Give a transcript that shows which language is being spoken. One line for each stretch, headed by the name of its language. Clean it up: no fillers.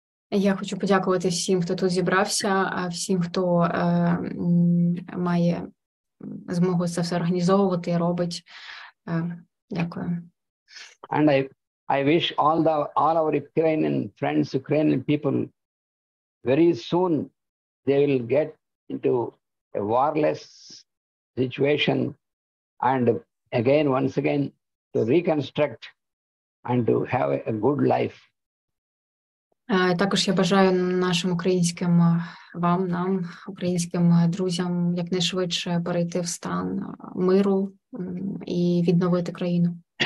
Ukrainian: Я хочу подякувати всім, хто тут зібрався, а всім, хто має змогу це все організовувати і робить. Дякую.
English: And I wish all our Ukrainian friends, Ukrainian people, very soon they will get into a warless situation and again once again to reconstruct and to have a good life.
Ukrainian: Також я бажаю нашим українським вам, нам, українським друзям якнайшвидше перейти в стан миру і відновити країну.